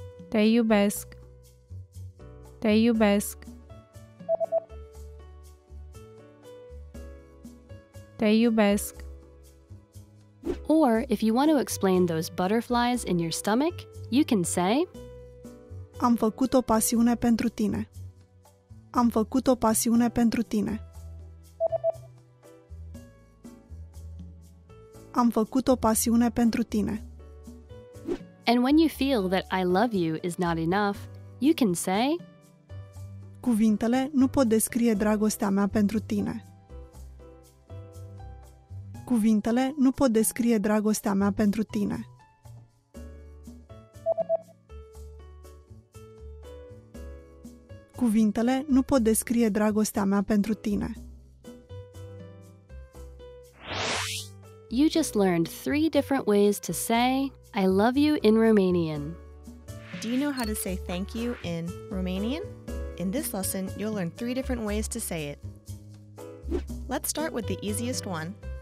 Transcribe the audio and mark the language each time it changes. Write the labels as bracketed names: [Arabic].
[Romanian] Te iubesc. Te iubesc. Te iubesc. [English] Or, if you want to explain those butterflies in your stomach, you can say, [Romanian] Am făcut o pasiune pentru tine. Am făcut o pasiune pentru tine. Am făcut o pasiune pentru tine. [English] And when you feel that I love you is not enough, you can say, [Romanian] Cuvintele nu pot descrie dragostea mea pentru tine. Cuvintele nu pot descrie dragostea mea pentru tine. Cuvintele nu pot descrie dragostea mea pentru tine. [English] You just learned three different ways to say I love you in Romanian. Do you know how to say thank you in Romanian? In this lesson, you'll learn three different ways to say it. Let's start with the easiest one.